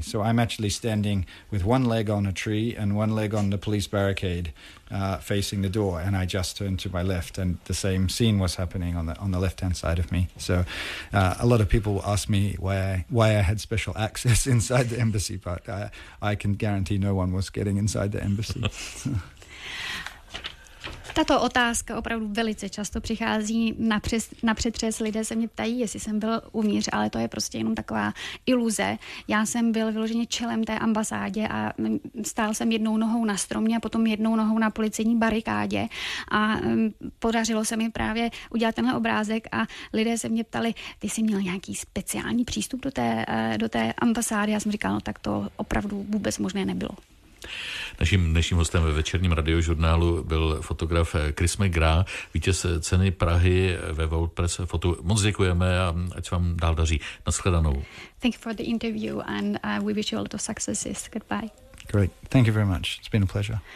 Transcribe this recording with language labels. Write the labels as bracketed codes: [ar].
[en] So I'm actually standing with one leg on a tree and one leg on the police barricade facing the door, and I just turned to my left, and the same scene was happening on the left-hand side of me. So a lot of people ask me why I had special access inside the embassy, but I can guarantee no one was getting inside the embassy. [cs] Tato otázka opravdu velice často přichází napřetřes. Lidé se mě ptají, jestli jsem byl uvnitř, ale to je prostě jenom taková iluze. Já jsem byl vyloženě čelem té ambasádě a stál jsem jednou nohou na stromě a potom jednou nohou na policejní barikádě a podařilo se mi právě udělat tenhle obrázek a lidé se mě ptali, ty jsi měl nějaký speciální přístup do té ambasády. Já jsem říkal, no tak to opravdu vůbec možné nebylo. Naším dnešním hostem ve večerním radiožurnálu byl fotograf Chris McGrath, vítěz ceny Prahy ve World Press Photo. Moc děkujeme a ať se vám dál daří. Naschledanou. [en] Thank you for the interview and we wish you a lot of successes. Goodbye. Great. Thank you very much. It's been a pleasure.